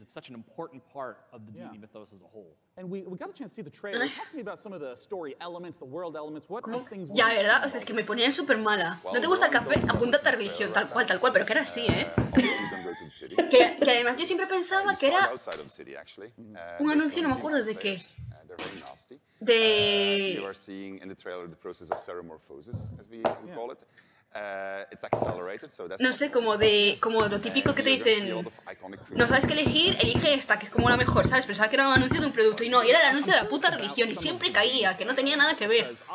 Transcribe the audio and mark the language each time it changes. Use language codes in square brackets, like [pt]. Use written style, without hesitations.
[en] It's such an important part of the Duty mythos as a whole. And we got a chance to see the trailer. Talk to me about some of the story elements, the world elements. What are things? [es] Ya, ¿verdad? O sea, es que me ponía súper mala. ¿No te gusta el café? Apúntate a religión, tal cual, pero que era así, Que además yo siempre pensaba que era un anuncio, no me acuerdo de qué. De. [en] You are seeing in the trailer the process of seromorphosis, as we would call it. It's accelerated, so that's [es] no sé, como lo típico que te dicen, no sabes qué elegir, elige esta, que es como la mejor, ¿sabes? Pensaba que era un anuncio de un producto y no, era el anuncio de la puta religión y siempre caía, que no tenía nada que ver.